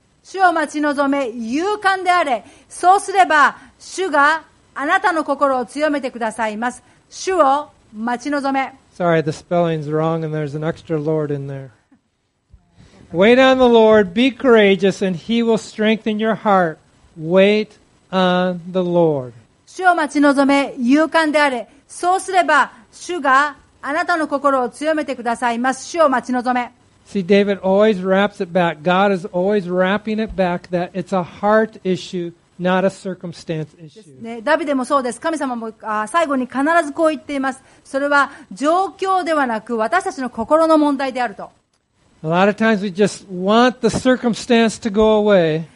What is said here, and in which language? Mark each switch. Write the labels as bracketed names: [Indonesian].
[Japanese] 主を待ち望め、勇敢であれ。そうすれば、主があなたの心を強めてくださいます。主を待ち望め。 [English] Sorry, the spelling's wrong, and there's an extra Lord in there. Wait on the Lord, be courageous, and he will strengthen your heart. Wait on the Lord. [Japanese] 主を待ち望め、勇敢であれ。そうすれば、主があなたの心を強めてくださいます。主を待ち望め。 [English] See, David always wraps it back. God is always wrapping it back that it's a heart issue, not a circumstance issue. [Japanese] ね、ダビデもそうです。神様も最後に必ずこう言っています。それは状況ではなく、私たちの心の問題であると。 [English] A lot of times we just want the circumstance to go away.